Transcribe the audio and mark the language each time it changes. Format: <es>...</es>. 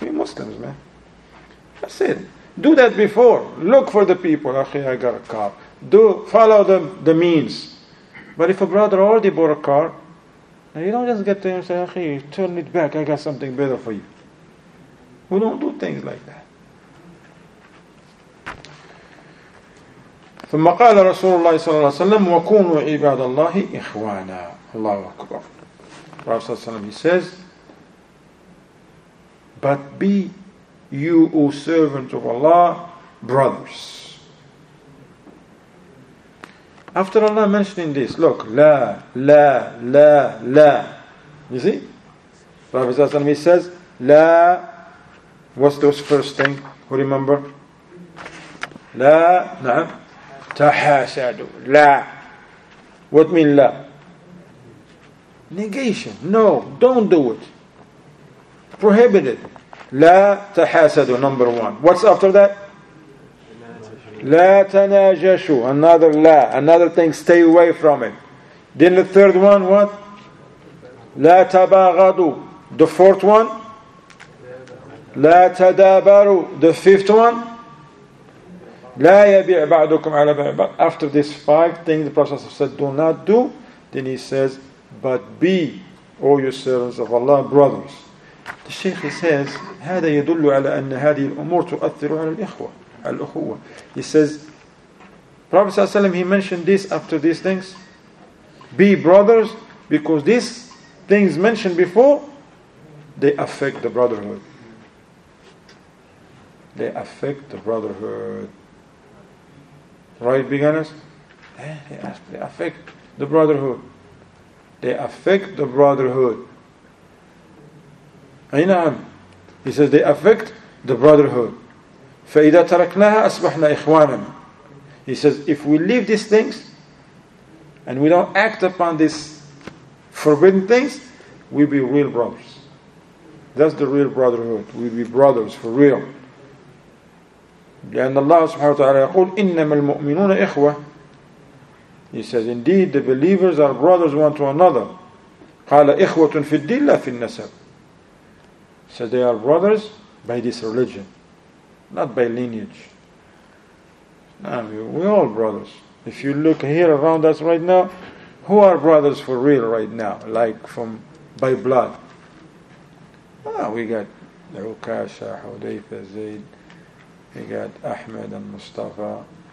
<en>We Muslims, man. That's it. Do that before. Look for the people. I got a car. Follow the means. But if a brother already bought a car, you don't just get to him and say, turn it back. I got something better for you. We don't do things like that.</en> <ar>ثم قال رسول الله صلى الله عليه وسلم وكونوا عباد الله إخوانا. الله أكبر.</ar> <en>Prophet</en> <ar>صلى الله عليه وسلم,</ar> <en>he says, but be you, O servant of Allah, brothers. After Allah mentioning this, look, la, la, la, la. You see? Prophet</en> <ar>صلى الله عليه وسلم,</ar> <en>he says, la. What's those first thing? Who remember? La, na'am. Tahasadu. La. What mean la? Negation. No, don't do it. Prohibited.</en> <ar>La tahasadu,</ar> <en>number one. What's after that?</en> <ar>La tanajashu.</ar> <en>Another la. Another thing, stay away from it. Then the third one, what?</en> <ar>La tabagadu.</ar> <en>The fourth one?</en> <ar>لا تدابروا.</ar> <en>The fifth one,</en> <ar>لا يبيع بعضكم على بيع.</ar> <en>But after these five things the Prophet said do not do, then he says, but be all you servants of Allah brothers. The Shaykh says</en> <ar>هذا يدل على أن هذه الأمور تؤثر على الإخوة.</ar> <en>He says Prophet ﷺ, he mentioned this after these things, be brothers, because these things mentioned before, they affect the brotherhood. They affect the brotherhood. Right, beginners? They affect the brotherhood. They affect the brotherhood. Aynam. He says they affect the brotherhood.</en> <ar>فَإِذَا تَرَكْنَاهَا أَصْبَحْنَا إِخْوَانًا.</ar> <en>He says if we leave these things and we don't act upon these forbidden things, we'll be real brothers. That's the real brotherhood. We'll be brothers for real.</en> <ar>لأن الله سبحانه وتعالى يقول إنما المؤمنون إخوة.</ar> <en>He says indeed the believers are brothers one to another.</en> <ar>قال إخوة في الدين لا في النسب.</ar> <en>He says they are brothers by this religion, not by lineage. We all brothers. If you look here around us right now, who are brothers for real right now, like from by blood? We got Ukasha, Hudayfa, Zaid. We got Ahmed and Mustafa,</en>